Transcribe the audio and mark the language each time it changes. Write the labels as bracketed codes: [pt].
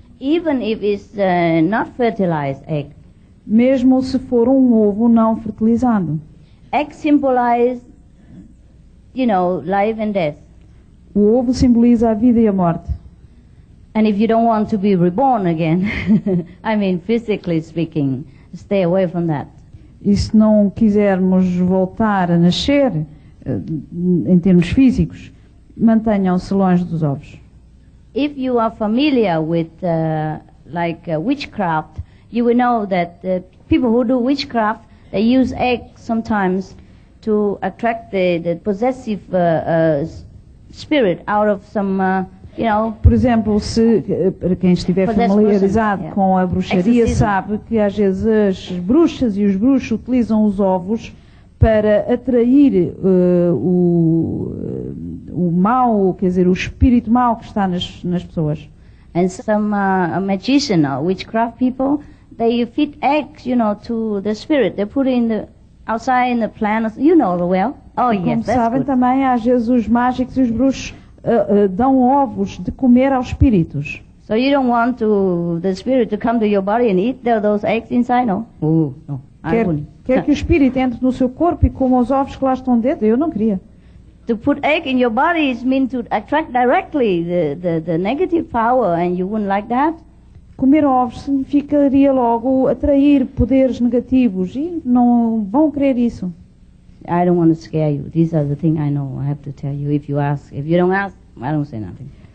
[en] Even if it's not fertilized egg. [pt] Mesmo se for um ovo não fertilizado. [en] Eggs symbolize, you know, life and death. [pt] O ovo simboliza a vida e a morte. [en] And if you don't want to be reborn again, I mean physically speaking, stay away from that. [pt] E se não quisermos voltar a nascer, em termos físicos, mantenham-se longe dos ovos. [en] If you are familiar with witchcraft, you will know that people who do witchcraft, they use eggs sometimes to attract the possessive spirit out of some, [pt] Por exemplo, se para quem estiver familiarizado com a bruxaria, sabe que às vezes as bruxas e os bruxos utilizam os ovos para atrair o mau, quer dizer, o espírito mau que está nas pessoas. [en] And some magician or witchcraft people, they feed eggs, you know, to the spirit. They put it in the outside in the plant, you know well. Oh, [pt] como [en] yes, [pt] sabem, [en] that's good. [pt] Também às vezes os mágicos e os bruxos dão ovos de comer aos espíritos. [en] So you don't want to, the spirit to come to your body and eat those eggs inside, no? No. [pt] Quer que o espírito entre no seu corpo e coma os ovos que lá estão dentro? Eu não queria. [en] To put egg in your body is mean to attract directly the negative power, and you wouldn't like that. [pt] Comer ovos significaria logo atrair poderes negativos e não vão querer isso. [en] I don't want to scare you. These are the things I know. I have to tell you if you ask. If you don't ask, I don't say nothing.